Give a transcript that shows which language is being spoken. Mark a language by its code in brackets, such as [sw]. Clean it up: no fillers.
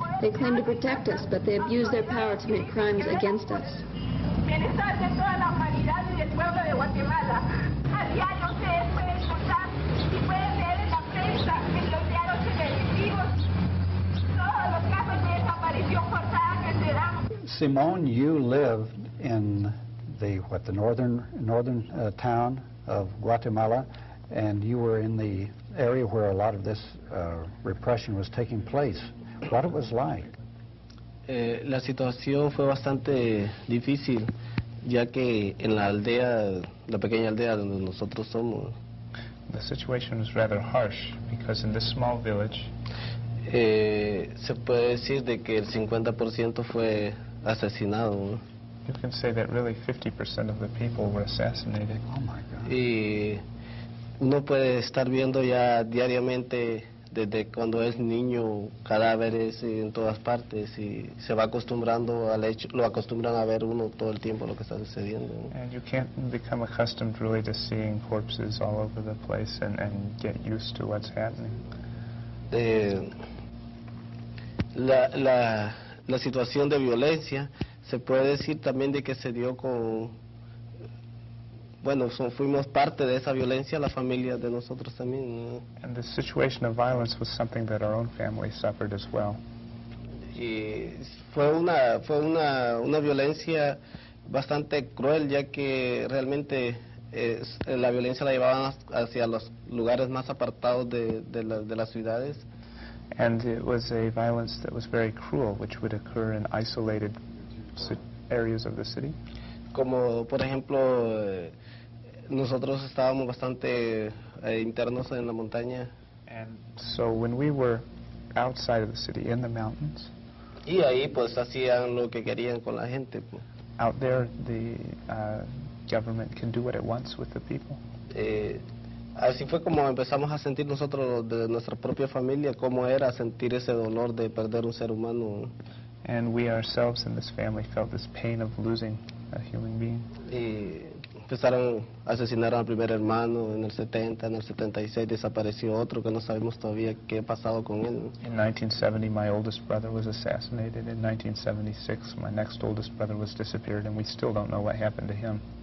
[en] They claim to protect us, but they abuse their power to commit crimes against us. Simone, you lived in the northern town of Guatemala, and you were in the area where a lot of this repression was taking place. What it was like? [es] La situación fue bastante difícil, ya que en la aldea, la pequeña aldea donde nosotros somos. [en] The situation was rather harsh because in this small village. [es] Se puede decir de que el 50% fue asesinado. [en] You can say that really 50% of the people were assassinated. Oh my God. [es] Uno puede estar viendo ya diariamente desde cuando es niño cadáveres en todas partes y se va acostumbrando al hecho, lo acostumbran a ver uno todo el tiempo lo que está sucediendo. [en] And you can't become accustomed really to seeing corpses all over the place and get used to what's happening. [es] La situación de violencia se puede decir también de que se dio con. Bueno, fuimos parte de esa violencia, la familia de nosotros también. [en] And the situation of violence was something that our own family suffered as well. [es] Y fue una violencia bastante cruel, ya que realmente la violencia la llevaban hacia los lugares más apartados de las ciudades. [en] And it was a violence that was very cruel, which would occur in isolated areas of the city. [es] Como, por ejemplo, nosotros estábamos bastante internos en la montaña. [en] And so when we were outside of the city, in the mountains. [es] Y ahí pues hacían lo que querían con la gente. [en] Out there, the government can do what it wants with the people. [es] Así fue como empezamos a sentir nosotros de nuestra propia familia cómo era sentir ese dolor de perder un ser humano. [en] And we ourselves in this family felt this pain of losing a human being. [es] Empezaron a asesinar al primer hermano en el 70, en el 76 desapareció otro que no sabemos todavía qué ha pasado con él. [en] In 1970 my oldest brother was assassinated, in 1976 my next oldest brother was disappeared, and we still don't know what happened to him.